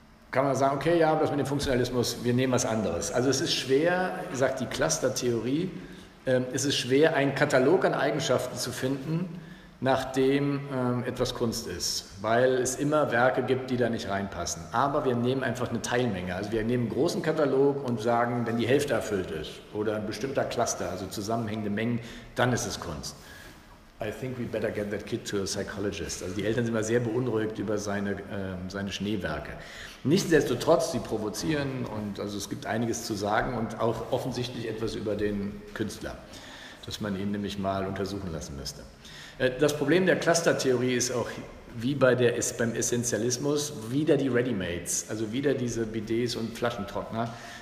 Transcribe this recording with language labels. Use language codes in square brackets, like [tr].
[de] Kann man sagen, okay, ja, das mit dem Funktionalismus, wir nehmen was anderes. Also es ist schwer, sagt die Cluster-Theorie, es ist schwer, einen Katalog an Eigenschaften zu finden, nachdem etwas Kunst ist, weil es immer Werke gibt, die da nicht reinpassen. Aber wir nehmen einfach eine Teilmenge. Also wir nehmen einen großen Katalog und sagen, wenn die Hälfte erfüllt ist oder ein bestimmter Cluster, also zusammenhängende Mengen, dann ist es Kunst. [en] I think we better get that kid to a psychologist. [de] Also die Eltern sind immer sehr beunruhigt über seine Schneewerke. Nichtsdestotrotz, sie provozieren und also es gibt einiges zu sagen und auch offensichtlich etwas über den Künstler, das man ihn nämlich mal untersuchen lassen müsste. Das Problem der Cluster-Theorie ist auch, wie beim Essentialismus, wieder die Ready-Mades, also wieder diese Bidets und Flaschentrockner.